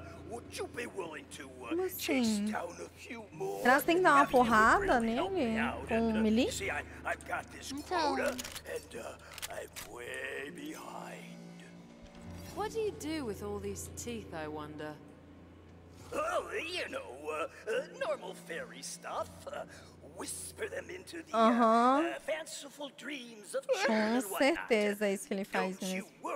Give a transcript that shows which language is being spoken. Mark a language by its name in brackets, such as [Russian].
[English] Would you be willing to chase down a few more? [Portuguese] Elas têm que dar uma porrada nele com o melee? [English] See, I've got this quota, and I'm way behind. What do you do with all these teeth, I wonder? Oh, you know, normal fairy stuff. Whisper them into the fanciful dreams of children. [Portuguese] Com certeza é isso que ele faz nisso.